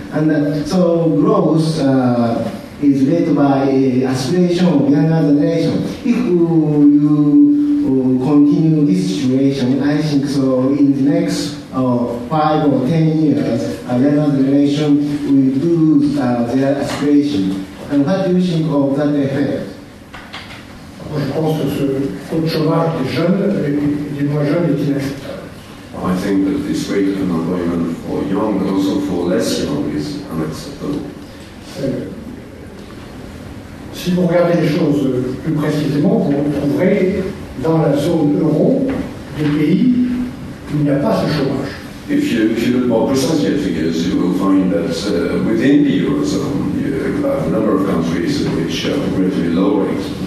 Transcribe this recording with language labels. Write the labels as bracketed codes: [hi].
[en] And so growth is led by aspiration of younger generation. If you continue this situation, I think so in the next 5 or 10 years, younger generation will lose their aspiration. And what do you think of that effect? [fr] Je pense que ce taux de chômage des jeunes, des moins jeunes, est inacceptable. [en] I think that this rate of unemployment for young and also for less young is unacceptable. [fr] Si vous regardez les choses plus précisément, vous retrouverez dans la zone euro des pays où il n'y a pas ce chômage. [en] If you look more precisely at figures, you will find that within the Eurozone, you have a number of countries which have greatly low rates.